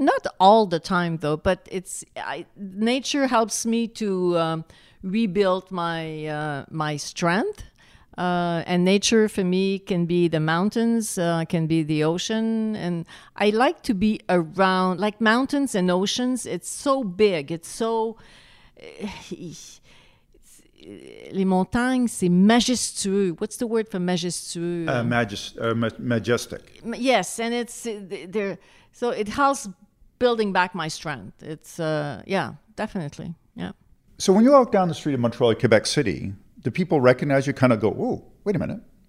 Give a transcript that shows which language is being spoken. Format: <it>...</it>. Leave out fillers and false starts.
<en>Not all the time, though, but nature helps me to rebuild my strength. And nature for me can be the mountains, can be the ocean. And I like to be around, like mountains and oceans. It's so big. It's so...</en> <fr>Les montagnes, c'est majestueux.</fr> <en>What's the word for majestueux? Majestic. Yes, and it's there. So it helps building back my strength. It's, definitely, yeah. So when you walk down the street of Montreal, Quebec City, do people recognize you, kind of go, oh, wait a minute?</en>